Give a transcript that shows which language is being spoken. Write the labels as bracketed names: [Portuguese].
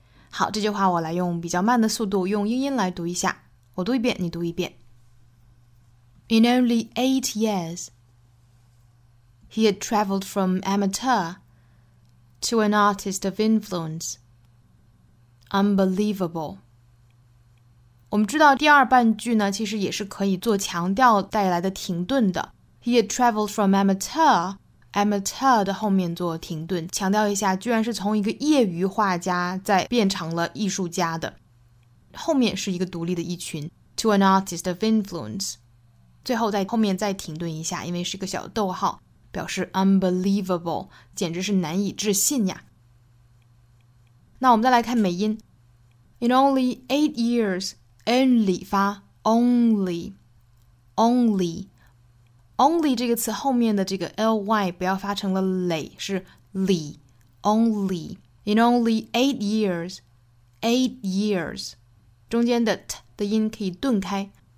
[Chinese] 好，这句话我来用比较慢的速度用英音来读一下。我读一遍，你读一遍。 [English] In only 8 years, he had traveled from amateur to an artist of influence. Unbelievable. [Chinese] 我们知道第二半句呢，其实也是可以做强调带来的停顿的。 [English] He had traveled from amateur, [Chinese] amateur 的后面做停顿，强调一下，居然是从一个业余画家再变成了艺术家的，后面是一个独立的一群 [English] to an artist of influence， [Chinese] 最后在后面再停顿一下，因为是个小逗号，表示 unbelievable， 简直是难以置信呀。那我们再来看美音 ， [English] in only 8 years， [Chinese] only 发 only， only。 Only 这个词后面的这个 ly 不要发成了累，是 li [English] only in only 8 years， [Chinese] 8 years 中间的 t 的音可以顿开。